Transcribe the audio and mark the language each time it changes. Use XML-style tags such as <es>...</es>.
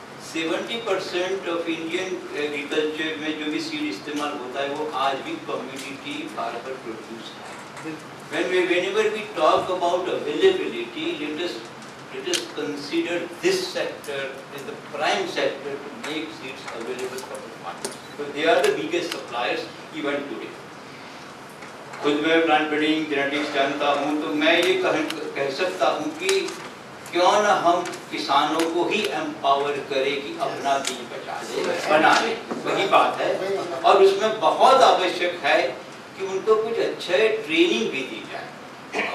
<hi>70% of Indian agriculture में जो भी सीड इस्तेमाल होता है वो आज भी कम्युनिटी फार्मर प्रोड्यूस है।</hi> <en>Whenever we talk about availability let us consider this sector is the prime sector to make seeds available for the market. So they are the biggest suppliers even today.</en> <hi>खुद मैं plant breeding genetics जानता हूँ तो मैं ये कह सकता हूँ कि क्यों ना हम किसानों को ही एम्पावर करें कि अपना बीज बचा ले बना ले, वही बात है। और उसमें बहुत आवश्यक है कि उनको कुछ अच्छे ट्रेनिंग भी दी जाए।</hi>